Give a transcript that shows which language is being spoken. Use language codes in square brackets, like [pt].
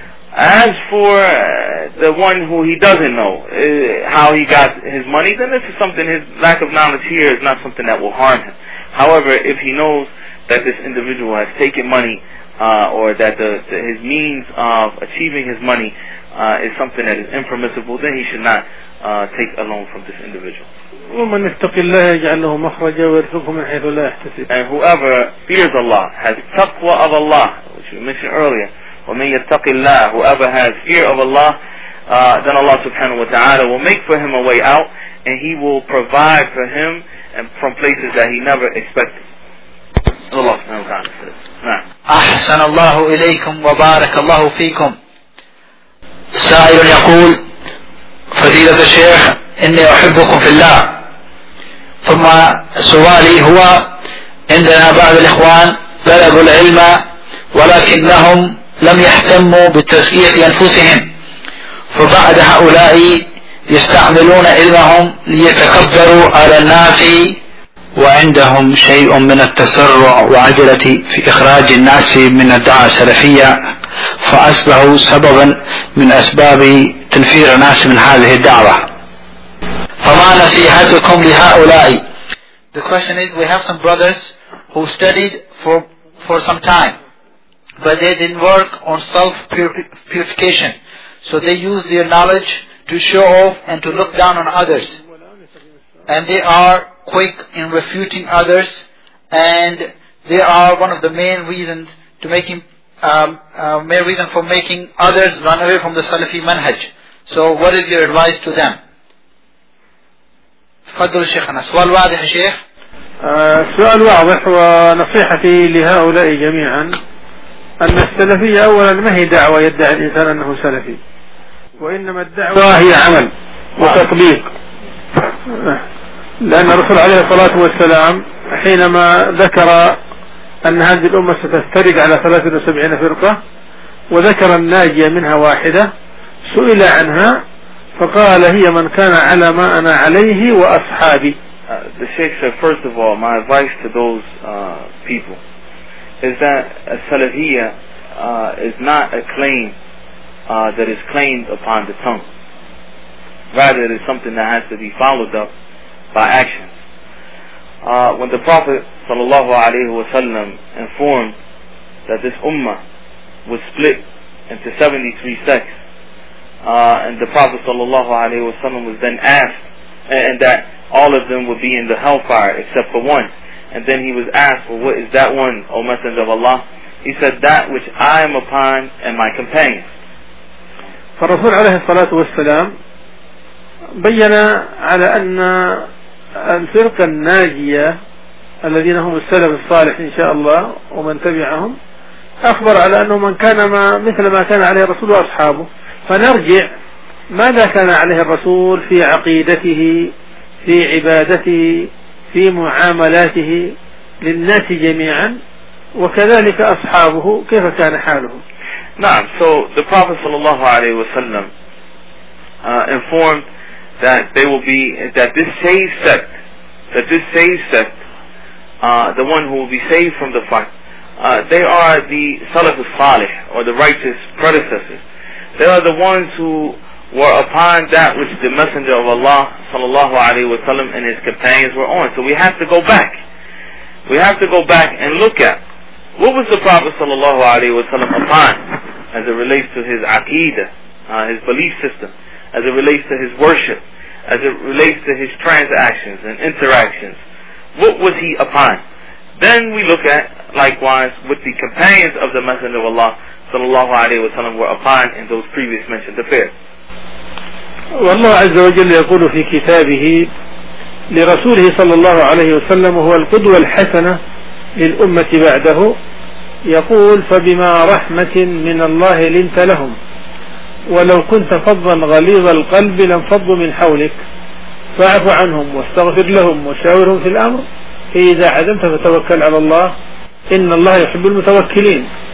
[en] As for the one who he doesn't know how he got his money, then this is something, his lack of knowledge here is not something that will harm him. However, if he knows that this individual has taken money or that his means of achieving his money is something that is impermissible, then he should not take a loan from this individual. [ar] ومن يتق الله يجعل له مخرجا ويرزقه من حيث لا يحتسب. [en] And whoever fears Allah has taqwa of Allah, which we mentioned earlier. [ar] ومن يتق الله, [en] whoever has fear of Allah, then Allah subhanahu wa ta'ala will make for him a way out, and he will provide for him and from places that he never expected. Allah subhanahu wa ta'ala says. [ar] أحسن الله إليكم وبارك الله فيكم. سائر يقول فضيلة الشيخ إني أحبكم في الله. ثم سؤالي هو عندنا بعض الإخوان طلبوا العلم ولكنهم لم يهتموا بتزكية أنفسهم، فبعد هؤلاء يستعملون علمهم ليتكبروا على الناس وعندهم شيء من التسرع وعجلة في إخراج الناس من الدعاء السلفية، فأصبحوا سببا من أسباب تنفير الناس من هذه الدعوة. فما نصيحتكم لهؤلاء؟ [en] The question is, we have some brothers who studied for some time, but they didn't work on self-purification. So they used their knowledge to show off and to look down on others. And they are quick in refuting others, and they are one of the main reasons to making main reason for making others run away from the Salafi manhaj. So what is your advice to them? [ar] تفضل شيخنا. سؤال واضح شيخ. سؤال واضح، ونصيحتي لهؤلاء جميعا أن السلفية أولا ما هي دعوة يدعي الإنسان أنه سلفي، وإنما الدعوة هي عمل وتطبيق. لأن الرسول عليه الصلاة والسلام حينما ذكر أن هذه الأمة ستفترق على 73 فرقة وذكر الناجية منها واحدة، سئل عنها فقال هي من كان على ما أنا عليه وأصحابي. [en] The Sheikh said, first of all, my advice to those people is that Salafiyya is not a claim that is claimed upon the tongue. Rather, it is something that has to be followed up by actions. When the Prophet sallallahu alaihi wasallam informed that this ummah was split into 73 sects, and the Prophet sallallahu alaihi wasallam was then asked, and that all of them would be in the hellfire except for one, and then he was asked, well, what is that one, O Messenger of Allah? He said, that which I am upon and my companions. [ar] فالرسول عليه الصلاة والسلام بين على أن الفرق الناجية الذين هم السلف الصالح إن شاء الله ومن تبعهم، أخبر على أنه من كان ما مثل ما كان عليه الرسول وأصحابه. فنرجع ماذا كان عليه الرسول في عقيدته، في عبادته، في معاملاته للناس جميعا، وكذلك أصحابه كيف كان حالهم. نعم. [en] So the Prophet [ar] صلى الله عليه وسلم [en] informed that they will be that this same sect the one who will be saved from the fire, they are the Salaf al-Salih, or the righteous predecessors. They are the ones who were upon that which the Messenger of Allah sallallahu alaihi wasallam and his companions were on. So we have to go back. We have to go back and look at what was the Prophet sallallahu alaihi wasallam upon as it relates to his aqeedah, his belief system, as it relates to his worship, as it relates to his transactions and interactions. What was he upon? Then we look at, likewise, what the companions of the Messenger of Allah sallallahu alaihi wasallam were upon in those previous mentioned affairs. [ar] والله عز وجل يقول في كتابه لرسوله صلى الله عليه وسلم هو القدوة الحسنة للأمة بعده، يقول فبما رحمة من الله لنت لهم ولو كنت فظا غليظ القلب لانفضوا من حولك، فاعف عنهم واستغفر لهم وشاورهم في الأمر، إذا عزمت فتوكل على الله إن الله يحب المتوكلين.